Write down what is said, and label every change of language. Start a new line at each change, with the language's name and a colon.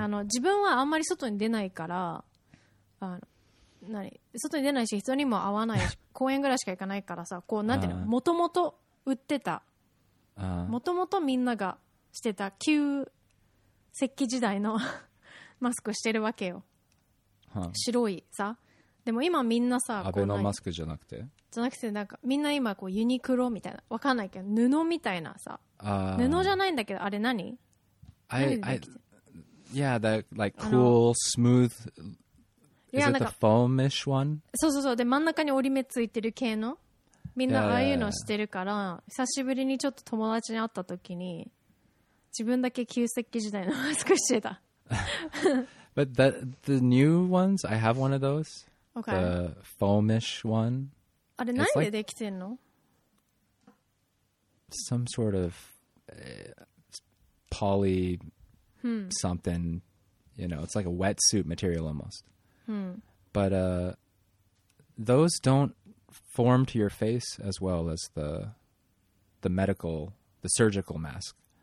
Japanese: あの、自分はあんまり外に出ないから、あの、何、外に出ないし人にも会わないし公園ぐらいしか行かないからさ、こうなんていうの、もともと売ってた、もともとみんながしてた旧石器時代のマスクしてるわけよ、白いさ。でも今みんなさ、アベノマスクじゃなくて、じゃなくてなんかみんな今こうユニクロみたいな、わかんないけど布みたいなさ、布じゃないんだけど、あれ何、
English: Yeah, that like cool smoothIs it the foamish one?
Japanese: そうそうそう。で、真ん中に折り目ついてる系の。みんなああいうのしてるから、久しぶりにちょっと友達に会った時に、自分だけ旧石器時代のマスクしてた。
English: But the new ones, I have one of those. Okay. The foamish one.
Japanese: あれ、何でできてんの?
English: Some sort of poly something. You know, it's like a wetsuit material almost. But those don't form to your face as well as the medical, the surgical mask.